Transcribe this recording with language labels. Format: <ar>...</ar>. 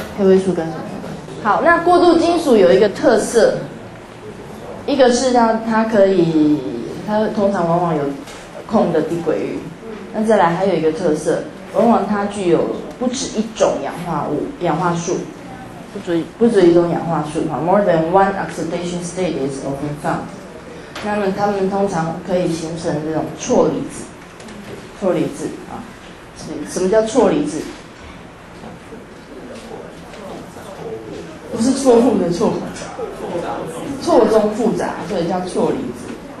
<zh>配位数跟什么有关系？好，那过渡金属有一个特色，一个是它可以，它通常往往有空的低轨域，那再来还有一个特色，往往它具有不止一种氧化物、氧化素，不止一种氧化素哈。</zh> <en>More than one oxidation state is often found。</en> <zh>那么它们通常可以形成这种错离子，错离子啊。什么叫错离子？不是错误的错，错综复杂，所以叫错离子。</zh>